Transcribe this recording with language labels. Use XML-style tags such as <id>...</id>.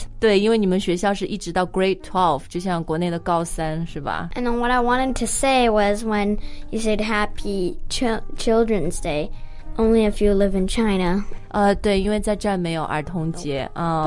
<zh>对因为你们学校是一直到 grade 12就像国内的高三是吧</zh> <en>And then what I wanted to say was when you said Happy Children's DayOnly if you live in China.</en> <zh>对，因为在这儿没有儿童节啊。</zh>